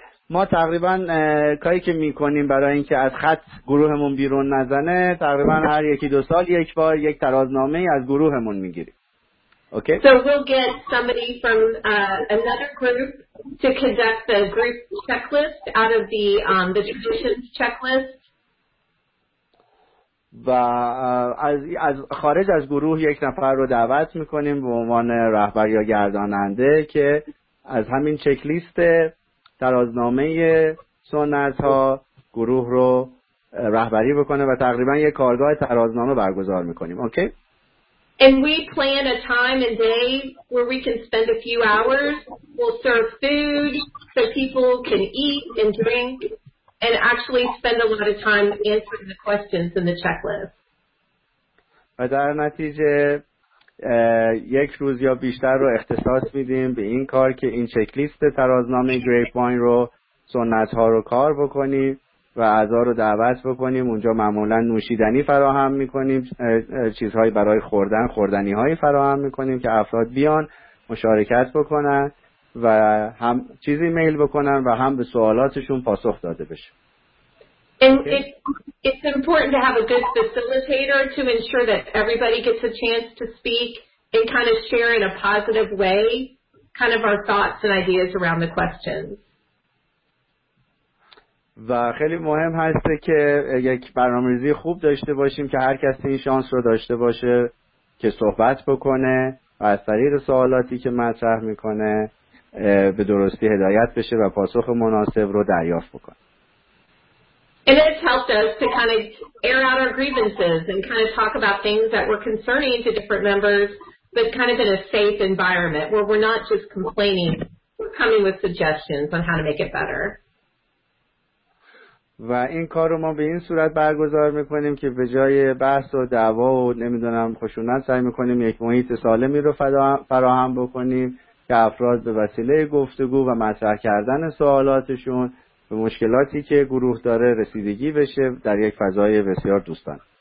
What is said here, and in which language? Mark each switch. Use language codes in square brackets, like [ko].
[fa] ما تقریبا کاری که میکنیم برای اینکه از خط گروهمون بیرون نزنه، تقریبا هر یکی دو سال یک بار یک ترازنامه از گروهمون میگیریم. [en] Okay? So we'll get somebody from another group to conduct the group checklist out of the traditions checklist. [fa] و از خارج از گروه یک نفر رو دعوت میکنیم به عنوان رهبر یا گرداننده که از همین چکلیست ترازنامه سنت ها گروه رو رهبری بکنه و تقریبا یک کارگاه ترازنامه برگزار میکنیم. [en] Okay? And we plan a time and day where we can spend a few hours. We'll serve food so people can eat and drink and actually spend a lot of time answering the questions in the checklist. [fa] و در نتیجه یک روز یا بیشتر رو اختصاص میدیم به این کار که این چکلیست ترازنامه گریپ واین رو سنت ها رو کار بکنیم و اعضا رو دعوت بکنیم. اونجا معمولا نوشیدنی فراهم میکنیم، چیزهایی برای خوردن، خوردنی هایی فراهم میکنیم که افراد بیان مشارکت بکنن و هم چیزی میل بکنن و هم به سوالاتشون پاسخ داده بشه. [en] And it's important to have a good facilitator to ensure that everybody gets a chance to speak and kind of share in a positive way kind of our thoughts and ideas around the questions. [fa] و خیلی مهم هست که یک برنامه‌ریزی خوب داشته باشیم که هر کسی این شانس رو داشته باشه که صحبت بکنه و از طریق سوالاتی که مطرح میکنه به درستی هدایت بشه و پاسخ مناسب رو دریافت بکنه. [en] And it's helped us to kind of air out our grievances and kind of talk about things that were concerning to different members, but kind of in a safe environment where we're not just complaining, we're coming with suggestions on how to make it better. [fa] و این کار رو ما به این صورت برگزار میکنیم که به جای بحث و دعوا و نمیدونم خشونت، سعی میکنیم یک محیط سالمی رو فراهم بکنیم که افراد به وسیله گفتگو و مطرح کردن سوالاتشون به مشکلاتی که گروه داره رسیدگی بشه در یک فضای بسیار دوستانه.